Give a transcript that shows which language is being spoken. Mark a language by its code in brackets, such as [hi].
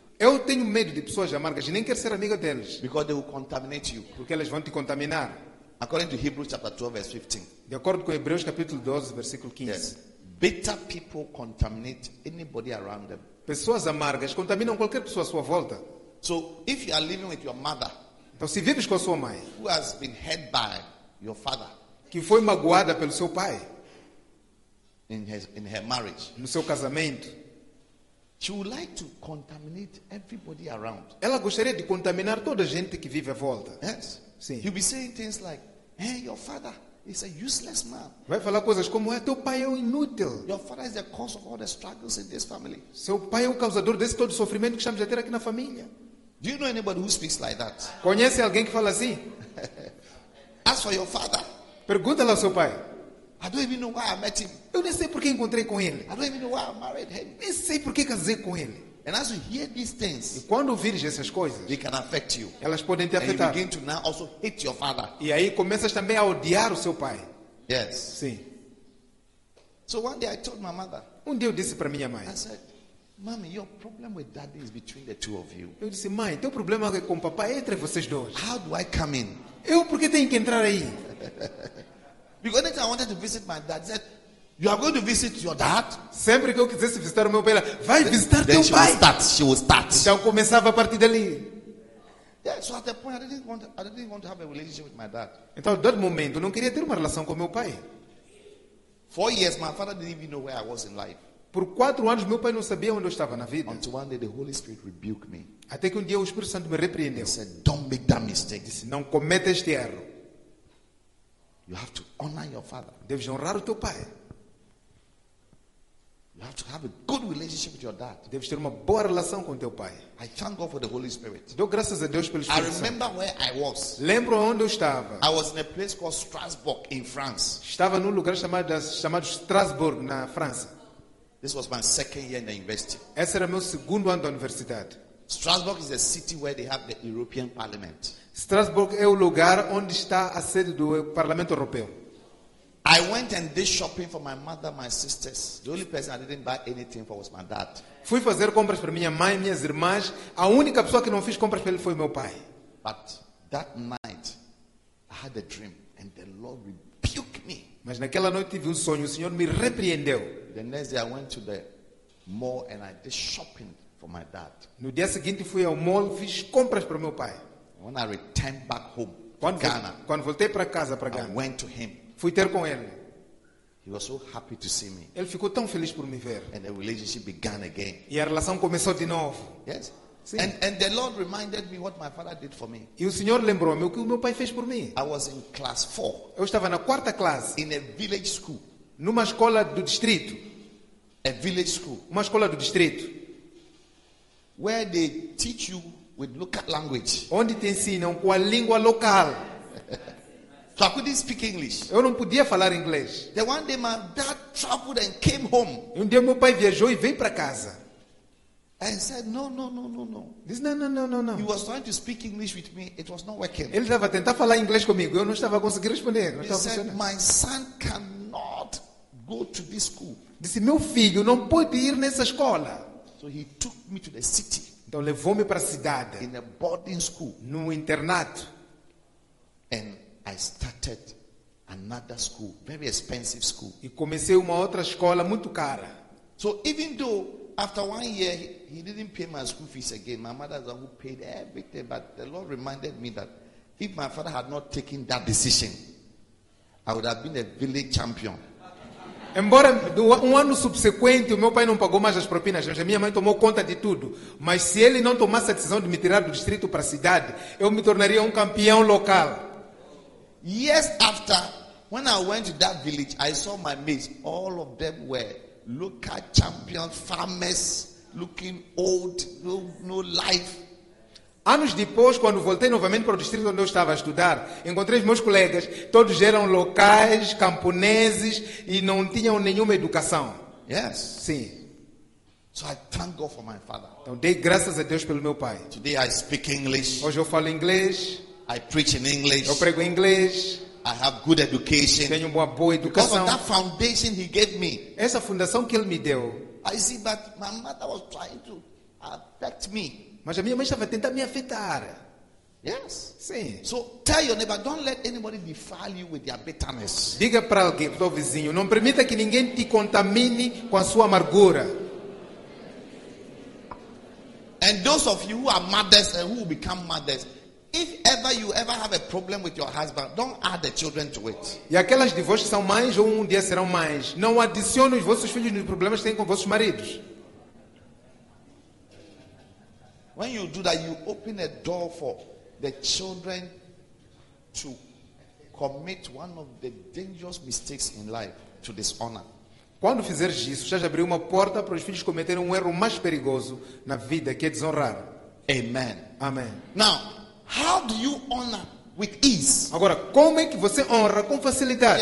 [pt] Eu tenho medo de pessoas amargas e nem quero ser amiga deles. [en] Because they will contaminate you. [pt] Porque elas vão te contaminar. [en] According to Hebrews chapter 12 verse 15. [pt] De acordo com Hebreus capítulo 12 versículo 15. [en] Yes. Bitter people contaminate anybody around them. [pt] Pessoas amargas contaminam qualquer pessoa à sua volta. [en] So if you are living with your mother, [pt] então se vives com a sua mãe, [en] who has been hurt by your father, [pt] que foi magoada pelo seu pai, [en] in her marriage, [pt] no seu casamento, [en] she would like to contaminate everybody around. [pt] Ela gostaria de contaminar toda a gente que vive à volta. [en] Yes. [pt] Sim. [en] You'll be saying things like, "Hey, your father." He's a useless man. [pt] Vai falar coisas como é teu pai é inútil. [en] Your father is the cause of all the struggles in this family. [pt] Seu pai é o causador desse todo o sofrimento que estamos a ter aqui na família. [en] Do you know anybody who speaks like that? [pt] Conhece alguém que fala assim? [en] As for your father. [pt] Pergunta lá ao seu pai. [en] I don't even know why I met him. [pt] Eu nem sei porque encontrei com ele. [en] I don't even know why I married him. [pt] Nem sei porque casei com ele. [en] And as you hear these things, [pt] e quando ouvires essas coisas, [en] they can affect you. [pt] Elas podem te afetar. [en] And you begin to now also hate your father. [pt] E aí começas também a odiar o seu pai. [en] Yes. [pt] Sim. [en] So one day I told my mother. [pt] Um dia eu disse para minha mãe. [en] I said, "Mommy, your problem with daddy is between the two of you." [pt] Eu disse, mãe, teu problema é com o papai entre vocês dois. [en] How do I come in? [pt] Eu por que tenho que entrar aí? [en] Because I wanted to visit my dad. Said, "You are going to visit your dad?" [pt] Sempre que eu quisesse visitar o meu pai, vai visitar teu pai. [en] She will start. [pt] Então começava a partir dali. [en] Yeah, so at that point, I didn't want to have a relationship with my dad. [pt] Então, dado momento, não queria ter uma relação com meu pai. [en] 4 years, my father didn't even know where I was in life. [pt] Por 4 anos, meu pai não sabia onde eu estava na vida. [en] Until one day, the Holy Spirit rebuked me. [pt] Até que um dia o Espírito Santo me repreendeu. [en] He said, "Don't make that mistake." [pt] Disse, não cometa este erro. [en] You have to honor your father. [pt] Deves honrar o teu pai. [en] You have to have a good relationship with your dad. [pt] Deves ter uma boa relação com teu pai. [en] I thank God for the Holy Spirit. [pt] Dou graças a Deus pelo Espírito [en] Santo. I remember where I was. [pt] Lembro onde eu estava. [en] I was in a place called Strasbourg in France. [pt] Estava num lugar chamado Strasbourg na França. [en] This was my second year in the university. [pt] Esse era meu segundo ano da universidade. [en] Strasbourg is a city where they have the European Parliament. [pt] Strasbourg é o lugar onde está a sede do Parlamento Europeu. [en] I went and did shopping for my mother, my sisters. The only person I didn't buy anything for was my dad. [pt] Fui fazer compras para minha mãe e minhas irmãs. A única pessoa que não fiz compras para ele foi meu pai. [en] But that night, I had a dream, and the Lord rebuked me. [pt] Mas naquela noite tive sonho. O Senhor me repreendeu. [en] The next day, I went to the mall and I did shopping for my dad. [pt] No dia seguinte fui ao mall, fiz compras para meu pai. [en] When I returned back home, [pt] quando voltei para casa para Ghana, [en] I went to him. [pt] Fui ter com ele. [en] He was so happy to see me. [pt] Ele ficou tão feliz por me ver. [en] And the relationship began again. [pt] E a relação começou de novo. [en] Yes. [pt] Sim. [en] And the Lord reminded me what my father did for me. [pt] E o Senhor lembrou-me o que o meu pai fez por mim. [en] I was in class 4. [pt] Eu estava na quarta classe. [en] In a village school. [pt] Numa escola do distrito. [en] A village school. [pt] Uma escola do distrito. [en] Where they teach you with local language. [pt] Onde te ensinam com a língua local. [en] So I couldn't speak English. [pt] Eu não podia falar inglês. [en] Then one day my dad traveled and came home. [pt] Um dia meu pai viajou e veio para casa. [en] And said, no. [pt] Disse, no. [en] He was trying to speak English with me. It was not working. [pt] Ele estava tentando falar inglês comigo. Eu não estava conseguindo responder. Não estava funcionando. [en] He said, "My son cannot go to this school." [pt] Disse, meu filho não pode ir nessa escola. [en] So he took me to the city. [pt] Então levou-me para a cidade. [en] In a boarding school. [pt] No internato. [en] And I started another school, very expensive school. [pt] E comecei uma outra escola muito cara. [en] So even though after 1 year he didn't pay my school fees again, my mother is the one who paid everything. But the Lord reminded me that if my father had not taken that decision, I would have been a village champion. [pt] Embora ano subsequente o meu pai não pagou mais as propinas, mas a minha mãe tomou conta de tudo. Mas se ele não tomasse a decisão de me tirar do distrito para a cidade, eu me tornaria campeão local. [en] Years after, when I went to that village, I saw my mates. All of them were local champions, farmers, looking old, no life. [pt] Anos depois, quando voltei novamente para o distrito onde eu estava a estudar, encontrei os meus colegas. Todos eram locais, camponeses e não tinham nenhuma educação. [en] Yes. [pt] Sim. [en] So I thank God for my father. [pt] Então dei graças a Deus pelo meu pai. [en] Today I speak English. [pt] Hoje eu falo inglês. [en] I preach in English. [pt] Eu prego em inglês. [en] I have good education. [pt] Tenho uma boa educação. [en] Because of that foundation he gave me. [pt] Essa fundação que ele me deu. [en] I see, but my mother was trying to affect me. [pt] Mas a minha mãe estava tentando me afetar. [en] Yes. [pt] Sim. [en] So tell your neighbor, don't let anybody defile you with their bitterness. [pt] Diga para alguém, para o vizinho, não permita que ninguém te contamine com a sua amargura. [en] And those of you who are mothers and who will become mothers, if ever you ever have a problem with your husband, don't add the children to it. [pt] E aquelas de vós que são mães ou um dia serão mães, não adicione os vossos filhos nos problemas que têm com vossos maridos. [en] When you do that, you open a door for the children to commit one of the dangerous mistakes in life, to dishonor. [pt] Quando fizeres isso, estás a abrir uma porta para os filhos cometerem um erro mais perigoso na vida, que é desonrar. [en] Amen. [pt] Amen. [en] Now, how do you honor with ease? [pt] Agora, como é que você honra com facilidade?